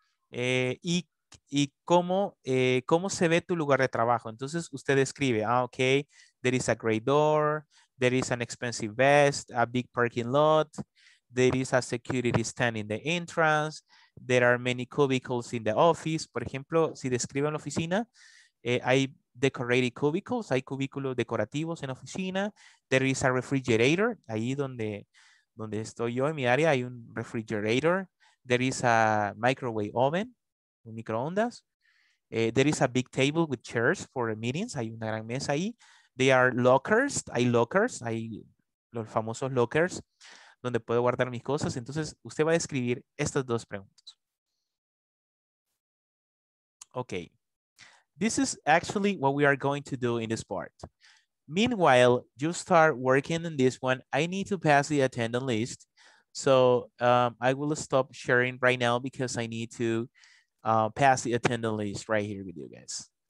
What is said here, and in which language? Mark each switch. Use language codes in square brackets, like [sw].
[es] ¿Y cómo se ve tu lugar de trabajo? Entonces usted escribe, [en] okay, there is a great door, there is an expensive vest, a big parking lot, there is a security stand in the entrance, there are many cubicles in the office. [es] Por ejemplo, si describe en la oficina, hay decorated cubicles, hay cubículos decorativos en la oficina, [en] there is a refrigerator, [es] ahí donde estoy yo en mi área hay un refrigerator, [en] there is a microwave oven, [es] microondas. [en] There is a big table with chairs for meetings. [es] Hay una gran mesa ahí. [en] There are lockers. [es] Hay los famosos lockers donde puedo guardar mis cosas. Entonces, usted va a describir estas dos preguntas. [en] Okay. This is actually what we are going to do in this part. Meanwhile, you start working on this one. I need to pass the attendance list. So I will stop sharing right now because I need to pass the attendance list right here with you guys.